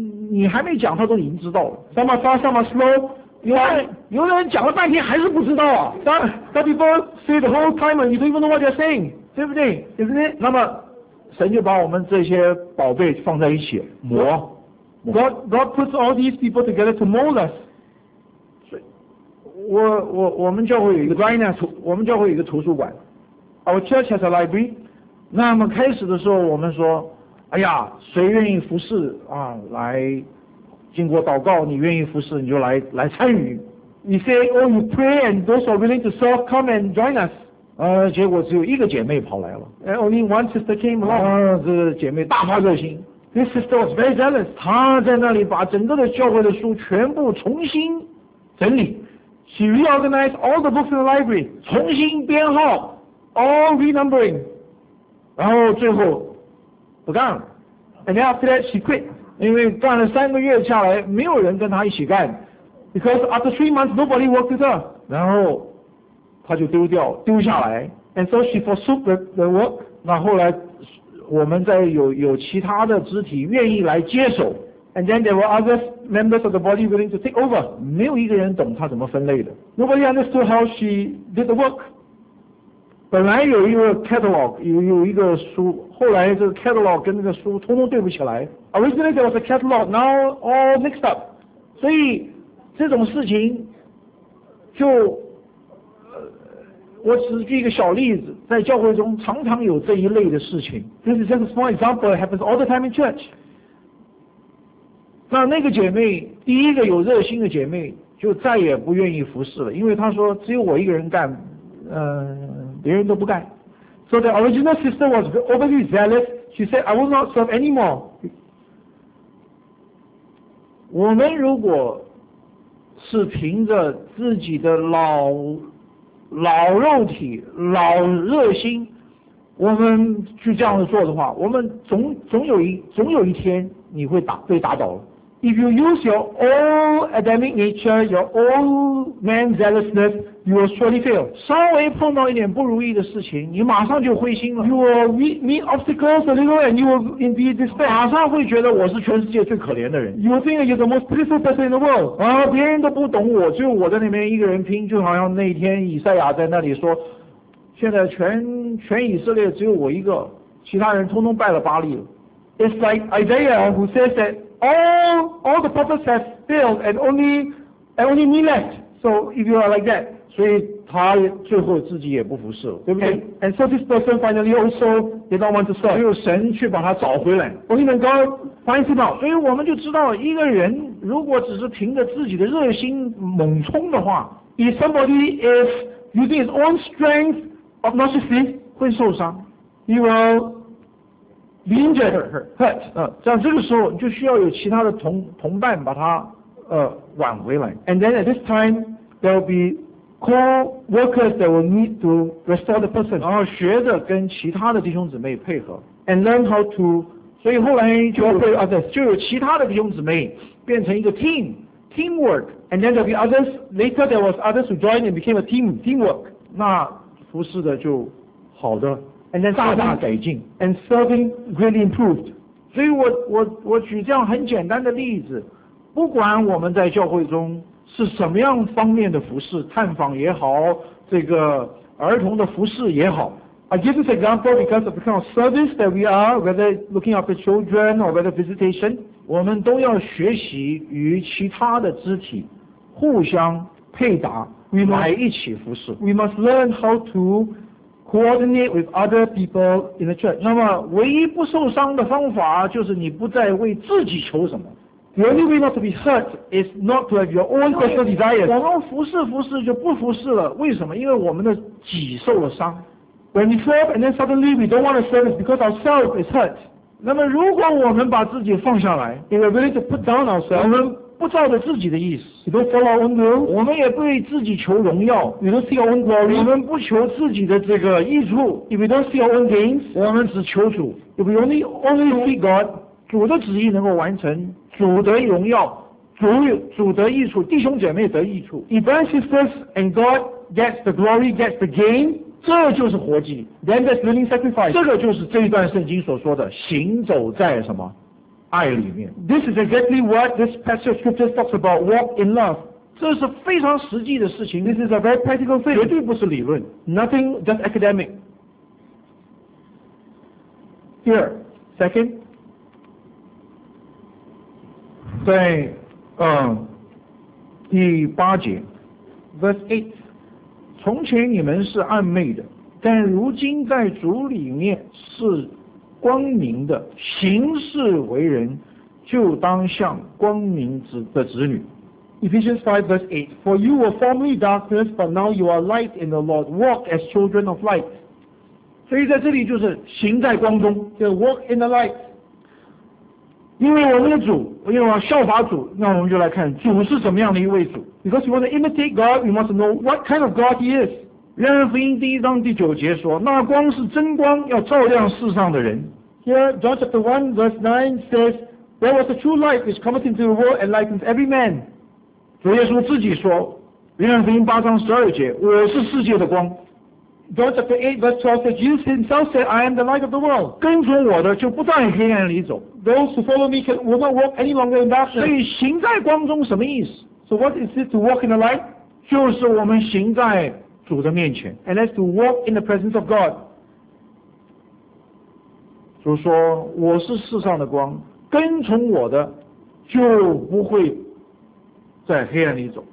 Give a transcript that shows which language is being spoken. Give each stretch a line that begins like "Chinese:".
Chinese: 你还没讲，他都已经知道了。
English: Some are fast, some are slow.
Chinese: 有的人讲了半天还是不知道啊。
English: Some people say the whole time and you don't even know what they're saying,
Chinese: 对不对
English: ？Isn't it?
Chinese: 那么，神就把我们这些宝贝放在一起磨。
English: God puts all these people together to mold us.
Chinese: 我们教会有一个
English: grinders，
Chinese: 我们教会有一个图书馆。
English: Our church has a library.
Chinese: 那么开始的时候，我们说。哎呀，谁愿意服侍啊？来，经过祷告，你愿意服侍，你就来参与。
English: You say, oh, you pray, and those who are willing to serve, come and join us.
Chinese: 结果只有一个姐妹跑来了。
English: And only one sister came along.
Chinese: 这姐妹大发热心。
English: This sister was very zealous.
Chinese: 她在那里把整个的教会的书全部重新整理。
English: She reorganized all the books in the library.
Chinese: 重新编号。
English: All renumbering.
Chinese: 然后最后不干了。
English: And after that, she quit.
Chinese: 因为干了三个月下来，没有人跟她一起干。
English: Because after 3 months, nobody worked with her.
Chinese: 然后他就丢掉丢下来
English: and so she forsook the work.
Chinese: 那后来我们在有其他的肢体愿意来接手
English: and then there were other members of the body willing to take over.
Chinese: 没有一个人懂他怎么分类的
English: nobody understood how she did the work.
Chinese: 本来有一个 catalog, 有一个书，后来这个 catalog 跟那个书通通对不起来
English: originally there was a catalog, now all mixed up.
Chinese: 所以这种事情就我只举一个小例子，在教会中常常有这一类的事情。
English: This is just a small example. It happens all the time in church.
Chinese: 那个姐妹，第一个有热心的姐妹，就再也不愿意服侍了，因为她说只有我一个人干，别人都不干。
English: So the original sister was overly zealous. She said, "I will not serve anymore."
Chinese: 我们如果是凭着自己的老肉体老热心，我们去这样子做的话，我们总有一天你会被打倒了。
English: If you use your old Adamic nature, your old man zealousness, you will surely fail.
Chinese: 稍微碰到一点不如意的事情，你马上就灰心了。
English: You will meet obstacles a little and you will indeed despair.
Chinese: 马上会觉得我是全世界最可怜的人。
English: You will think that you're the most pitiful person in the world.
Chinese: 别人都不懂我，只有我在那边一个人拼，就好像那天以赛亚在那里说，现在全以色列只有我一个，其他人通通拜了巴利了。
English: It's like Isaiah who says that all the prophets have failed and only me left. So if you are like that,
Chinese: 所以他最后自己也不服侍了，对不对
English: and so this person finally also did not want to serve.
Chinese: 只有神去把他找回来
English: only when God finds him out.
Chinese: 所以我们就知道，一个人如果只是凭着自己的热心猛冲的话，
English: if somebody is using his own strength obnoxiously,
Chinese: 会受伤，
English: he will be injured, hurt.
Chinese: 像这个时候就需要有其他的同伴把他挽回来。
English: And then at this time, there will beco-workers that will need to restore the person.
Chinese: 然后学着跟其他的弟兄姊妹配合
English: and learn how to.
Chinese: 所以后来就有其他的弟兄姊妹变成一个 teamwork.
English: And then there'll be others. Later there was others who joined and became a teamwork.
Chinese: 那服侍的就好的
English: and then
Chinese: 大大改进
English: and serving greatly improved.
Chinese: 所以我举这样很简单的例子，不管我们在教会中是什么样方面的服事，探访也好，这个儿童的服事也好。
English: I give this example because of the kind of service that we are, whether looking after children or whether visitation,
Chinese: 我们都要学习与其他的肢体互相配搭，来一起服事。
English: We must learn how to coordinate with other people in the church.
Chinese: 那么唯一不受伤的方法就是你不再为自己求什么。
English: The only way not to be hurt is not to have your own personal desires.
Chinese: 我们服侍服侍就不服侍了，为什么？因为我们的己受了伤。
English: When we serve and then suddenly we don't want to serve, it's because our self is hurt.
Chinese: 那么如果我们把自己放下来
English: ，if we're willing to put down ourselves,
Chinese: 我们不照着自己的意思
English: ，we don't follow our own will,
Chinese: 我们也不为自己求荣耀
English: ，we don't seek our own glory,
Chinese: 我们不求自己的这个益处
English: ，if we don't seek our own gains,
Chinese: 我们只求主
English: ，if we only seek God,
Chinese: 主的旨意能够完成。主得荣耀，主得益处，弟兄姐妹得益处。
English: If our sisters and God gets the glory, gets the gain,
Chinese: 这就是活祭。
English: Then that's willing sacrifice.
Chinese: 这个就是这一段圣经所说的行走在什么爱里面。
English: This is exactly what this passage of scripture talks about. Walk in love.
Chinese: 这是非常实际的事情。
English: This is a very practical thing.
Chinese: 绝对不是理论。
English: Nothing just academic. Here, second.
Chinese: 在第八节
English: verse 8,
Chinese: 从前你们是暗昧的，但如今在主里面是光明的，行事为人就当像光明的子女。
English: Ephesians 5 verse 8, for you were formerly darkness, but now you are light in the Lord. Walk as children of light.
Chinese: 所以在这里就是行在光中，就是
English: walk in the light。
Chinese: 因为我们的主，因为我效法主，那我们就来看主是怎么样的一位主。
English: Because you want to imitate God, you must know what kind of God He is.
Chinese: 约翰福音第一章第九节说，那光是真光，要照亮世上的人。
English: Here, John chapter 1 verse 9 says, there was a true light which cometh into the world and lightens every man.
Chinese: 主耶稣自己说，约翰福音八章十二节，我是世界的光。
English: John chapter 8 verse 12 says, Jesus himself said, I am the light of the world.
Chinese: 跟从我的就不在黑暗里走。
English: Those who follow me will not walk any longer in darkness.
Chinese: 所以行在光中什么意思？
English: So what is it to walk in the light?
Chinese: 就是我们行在主的面前。
English: And that's to walk in the presence of God.
Chinese: 主说，我是世上的光，跟从我的就不会在黑暗里走。